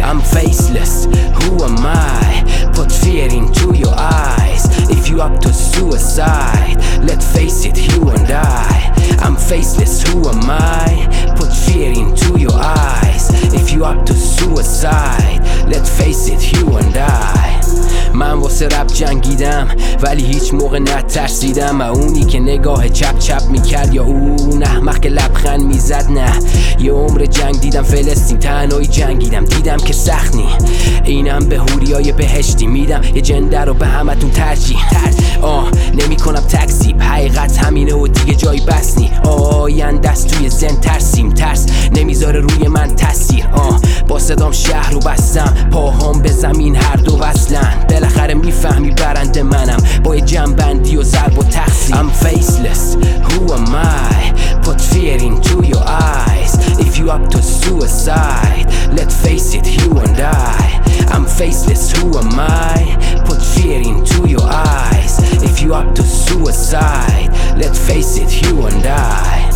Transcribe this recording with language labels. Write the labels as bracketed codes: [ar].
[en] I'm faceless, who am I? Put fear into your eyes. If you up to suicide, let's face it, you and I. I'm faceless, who am I? Put fear into your eyes. If you up to suicide, let's face it, you and I. [fa] من واسه رپ جنگیدم ولی هیچ موقع نترسیدم. و اونی که نگاه چپ چپ میکرد یا اون احمق که لبخند میزد، نه یه عمر جنگ دیدم فلسطین، تنهایی جنگیدم، دیدم که سخت نی. اینم به حوریای بهشتی میدم یه جنده رو به همه تون ترجیح. نمی کنم تکذیب، حقیقت همینه و دیگه جای بس نی. آینده است توی ذهن ترسیم، ترس نمیذاره روی من تاثیر. با صدام شهر رو بستم، پاهم به زمین هر دو وصلن. بالاخره میفهمی برنده منم با یه جنبندی و ضرب و تقسیم. [en] I'm faceless, who am I? Put fear into your eyes. If you up to suicide, let's face it, you and I. I'm faceless, who am I? Put fear into your eyes. If you up to suicide, let's face it, you and I.